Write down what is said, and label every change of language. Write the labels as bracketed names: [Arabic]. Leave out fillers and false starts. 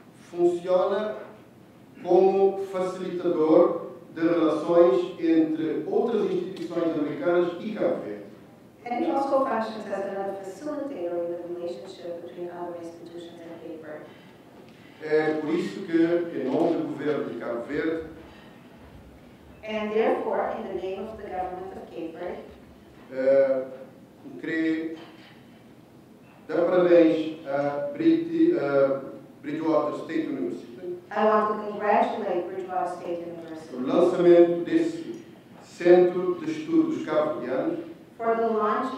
[Portuguese] Funciona como facilitador de relações entre outras instituições americanas e Cabo Verde. [English] And it also functions as another facilitator in the relationship between other institutions and Cape Verde. [Portuguese] É por isso que, em nome do governo de Cabo Verde, [English] and therefore, in the name of the government of Cape Verde, [Portuguese] creio dar parabéns a Bridgewater State University. [English] I want to congratulate Bridgewater State University for the launching of this Center of Studies of Cape Verdean